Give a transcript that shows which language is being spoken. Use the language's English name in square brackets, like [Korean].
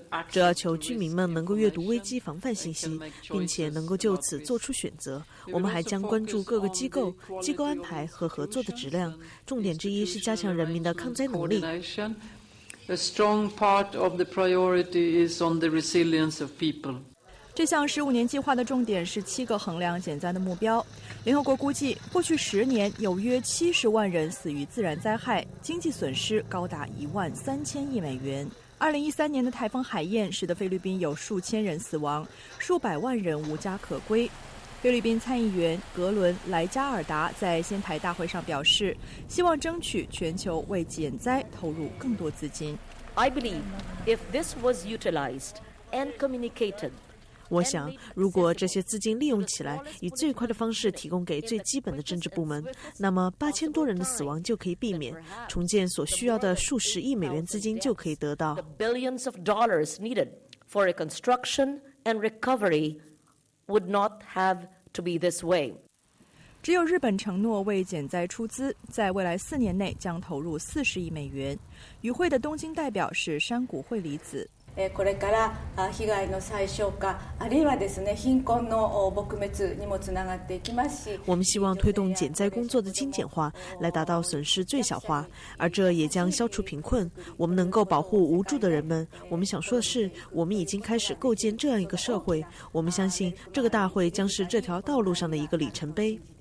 [Chinese] 这要求居民们能够阅读危机防范信息，并且能够就此做出选择。我们还将关注各个机构、机构安排和合作的质量，重点之一是加强人民的抗灾能力。 [English] A strong part of the priority is on the resilience of people. [Chinese] 这项15年计划的重点是7个衡量减灾的目标。联合国估计，过去10年有约70万人死于自然灾害，经济损失高达13000亿美元。 2013年的台风海燕使得菲律宾有数千人死亡，数百万人无家可归。菲律宾参议员格伦·莱加尔达在仙台大会上表示，希望争取全球为减灾投入更多资金。 [English] I believe if this was utilized and communicated. [Chinese] 我想，如果这些资金利用起来，以最快的方式提供给最基本的政治部门，那么8000多人的死亡就可以避免，重建所需要的数十亿美元资金就可以得到。 [English] The billions of dollars needed for reconstruction and recovery would not have to be this way. [Chinese] 只有日本承诺为减灾出资，在未来4年内将投入40亿美元。与会的东京代表是山谷惠理子。 [Japanese] これから被害の最小化あるいはですね貧困の撲滅にもつながっていきますし、 [Chinese] 我们希望推动减灾工作的精简化，来达到损失最小化，而这也将消除贫困。我们能够保护无助的人们。我们想说的是，我们已经开始构建这样一个社会。我们相信这个大会将是这条道路上的一个里程碑。